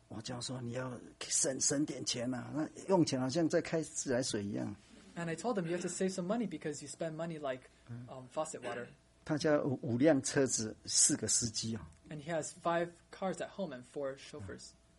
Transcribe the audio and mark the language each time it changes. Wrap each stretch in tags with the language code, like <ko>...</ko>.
<zh>我就说你要省点钱啊，那用钱好像在开自来水一样。</zh> <en>And I told them you have to save some money because you spend money like faucet water.</en> <zh>他家五辆车子，四个司机哦。</zh> <en>And he has five cars at home and four chauffeurs.</en>